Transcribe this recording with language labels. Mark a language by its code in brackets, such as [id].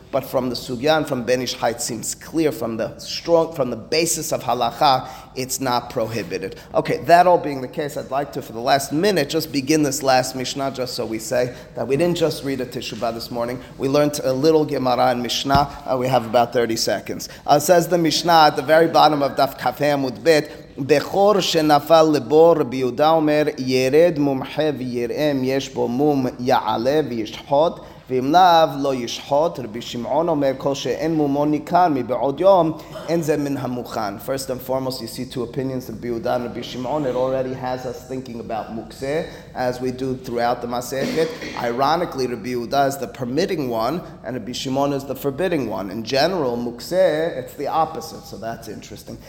[en] But from the sugya and from Ben Ish Chai, it seems clear from the basis of halakha, it's not prohibited. Okay, that all being the case, I'd like to, for the last minute, just begin this last Mishnah, just so we say that we didn't just read a Tishu B'Av this morning. We learned a little Gemara and Mishnah. We have about 30 seconds. Says the Mishnah at the very bottom of Daf Kafei Amud Bet, [he] בחור שנפל לבור ביהודה אומר ירד מומחה ויראם יש בו מום יעלה וישחות ואם לאו לא ישחות רבי שמעון אומר כל שאין מומו ניכר מבעוד יום אין זה מן המוכן. [en] First and foremost, you see two opinions, Rabbi Yehuda and Rabbi Shimon. It already has us thinking about mukse, as we do throughout the Masechet. Ironically, Rabbi Yehuda is the permitting one, and Rabbi Shimon is the forbidding one. In general, mukse, it's the opposite, so that's interesting.